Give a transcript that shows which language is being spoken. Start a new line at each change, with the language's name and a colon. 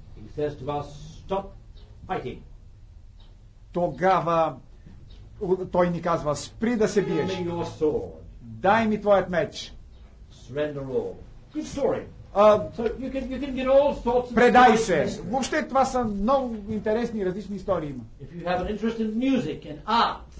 English: he says to us, "Stop fighting."
Bulgarian: Тогава той ни казва, спри да се биеш.
English: Give me your sword.
Bulgarian: Дай ми твоят меч.
English: Surrender all. Good story. So you can get all sorts of
Bulgarian: предай се. Въобще това са много интересни различни истории има.
English: If you have an interest in music and art,